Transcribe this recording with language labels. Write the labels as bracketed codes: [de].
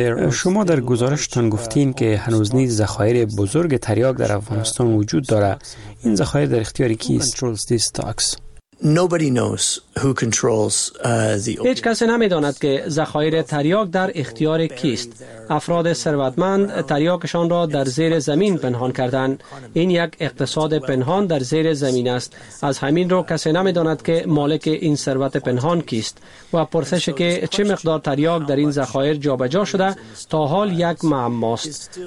[fa] شما در گزارشتان گفتین که هنوز نیز ذخایر بزرگ تریاک در افغانستان وجود دارد. این ذخایر در اختیار کیست؟ [en] Nobody knows who controls the opioids. [fa] هیچ کسی نمی‌داند که ذخایر تریاک در اختیار کیست. افراد ثروتمند تریاکشان را در زیر زمین پنهان کردند. این یک اقتصاد پنهان در زیر زمین است. از همین رو کسی نمی‌داند که مالک این ثروت پنهان کیست. و پرسش که چه مقدار تریاک در این ذخایر جابجا شده تا حال یک معما است.